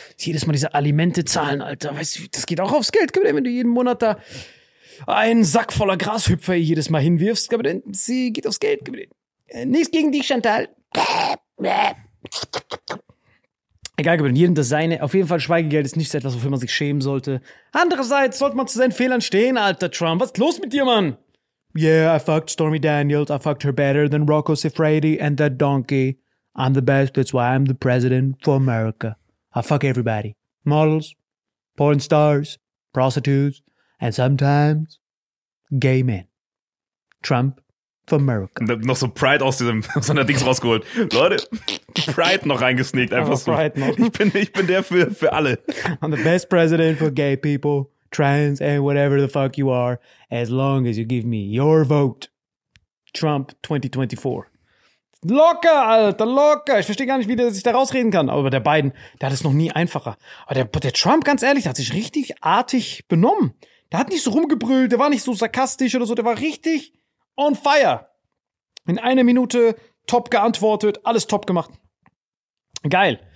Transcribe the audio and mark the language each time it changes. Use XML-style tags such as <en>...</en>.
<de>Jedes Mal diese Alimente zahlen, Alter. Weißt du, das geht auch aufs Geld, Jürgen, wenn du jeden Monat da einen Sack voller Grashüpfer jedes Mal hinwirfst. Jürgen, sie geht aufs Geld, Jürgen. Nichts gegen dich, Chantal. Egal, über jeden das seine. Auf jeden Fall, Schweigegeld ist nichts etwas, wofür man sich schämen sollte. Andererseits sollte man zu seinen Fehlern stehen, alter Trump. Was ist los mit dir, Mann?</de> <en>Yeah, I fucked Stormy Daniels. I fucked her better than Rocco Siffredi and that donkey. I'm the best, that's why I'm the president for America. I fuck everybody. Models, porn stars, prostitutes, and sometimes gay men. Trump. America.</en> <de>Noch so Pride aus diesem so einer Dings rausgeholt. Leute, Pride noch reingesneakt, einfach so. Ich bin der für alle.</de> <en>I'm the best president for gay people, trans and whatever the fuck you are, as long as you give me your vote.</en> <de>Trump 2024. Locker, Alter, locker. Ich verstehe gar nicht, wie der sich da rausreden kann. Aber der Biden, der hat es noch nie einfacher. Aber der Trump, ganz ehrlich, der hat sich richtig artig benommen. Der hat nicht so rumgebrüllt, der war nicht so sarkastisch oder so, der war richtig</de> <en>on fire.</en> <de>In einer Minute top geantwortet, alles top gemacht. Geil.</de>